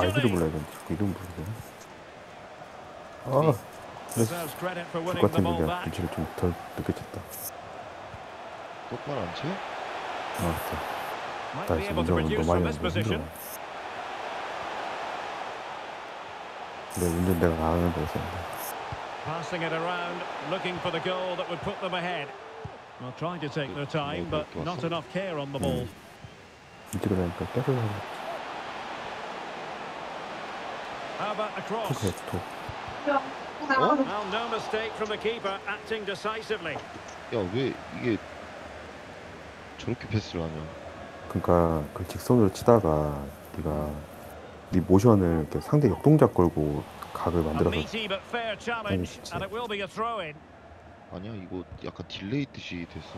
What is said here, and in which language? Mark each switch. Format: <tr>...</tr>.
<ko>아이디도 몰라요. 자꾸 이름 부르세요. 아. 똑같은 분이야. 눈치를 좀 덜 늦게 쳤다. 똑바로 안 치? 맞다. 나 이제 운전을 너무 많이 하는 거 힘들어. 내 운전 내가 안 하는 거 같은데.</ko> <en>Passing it around, looking for the goal that would put them ahead. Well, trying to take their time, but not enough care on the ball.</en> <ko>이쪽으로 하니까 떼려야 하는 거 같지. 톡 해, 톡. 어?</ko> <en>Well, no mistake from the keeper, acting decisively.</en> <ko>야, 왜 이게 저렇게 패스를 하냐? 그러니까 그 직선으로 치다가 네가 네 모션을 이렇게 상대 역동작 걸고 각을 만들어서 했지. 아니야, 이거 약간 딜레이 듯이 됐어.</ko>